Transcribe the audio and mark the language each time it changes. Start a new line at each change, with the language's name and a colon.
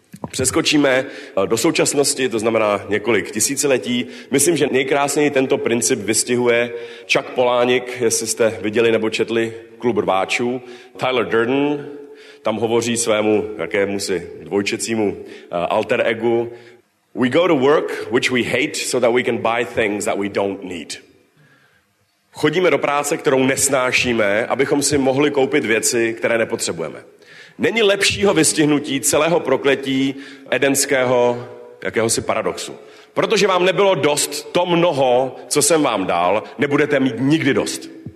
Czech: Přeskočíme do současnosti, to znamená několik tisíciletí. Myslím, že nejkrásněji tento princip vystihuje Chuck Palahniuk, jestli jste viděli nebo četli Klub rváčů. Tyler Durden tam hovoří svému jakémusi dvojčecímu alter egu.
English: We go to work, which we hate, so that we can buy things that we don't need.
Czech: Chodíme do práce, kterou nesnášíme, abychom si mohli koupit věci, které nepotřebujeme. Není lepšího vystihnutí celého prokletí edenského jakéhosi paradoxu. Protože vám nebylo dost to mnoho, co jsem vám dal, nebudete mít nikdy dost.